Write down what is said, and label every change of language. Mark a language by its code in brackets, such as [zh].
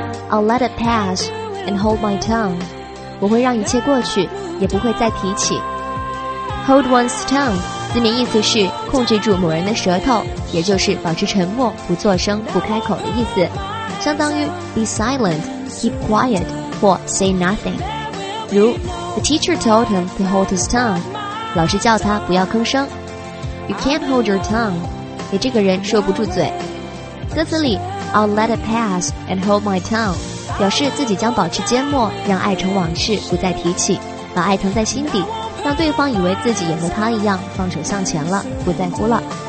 [en] I'll let it pass and hold my tongue. [zh] 我会让一切过去，也不会再提起。 [en] Hold one's tongue [zh] 字面意思是控制住某人的舌头，也就是保持沉默，不作声，不开口的意思。相当于 [en] be silent, keep quiet, or say nothing. 如 the teacher told him to hold his tongue. [zh] 老师叫他不要吭声。 [en] You can't hold your tongue. [zh] 你这个人说不住嘴。歌词里 [en] I'll let it pass and hold my tongue. [zh] 表示自己将保持缄默，让爱成往事，不再提起，把爱藏在心底，让对方以为自己也和他一样放手向前了，不在乎了。